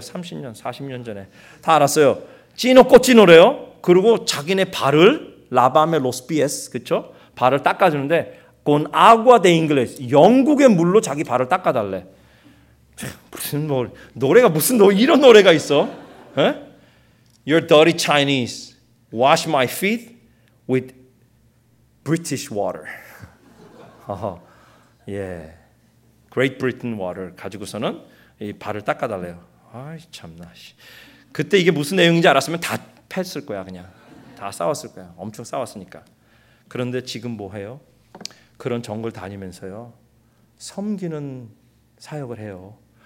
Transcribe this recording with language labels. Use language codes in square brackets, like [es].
[ko] 30년 40년 전에 다 알았어요. 찌노 꼬찌노래요. 그리고 자기네 발을 [es] 라밤에 로스피에스 [ko] 그렇죠? 발을 닦아주는데 [es] con agua de inglés [ko] 영국의 물로 자기 발을 닦아달래. 무슨 뭐 노래가 무슨 노 이런 노래가 있어? 에? [en] Your dirty Chinese wash my feet with British water. [ko] 어허, 예, [en] Great Britain water [ko] 가지고서는 이 발을 닦아달래요. 아이 참나. 그때 이게 무슨 내용인지 알았으면 다 패했을 거야 그냥. 다 싸웠을 거야. 엄청 싸웠으니까. 그런데 지금 뭐 해요? 그런 정글 다니면서요 섬기는 사역을 해요.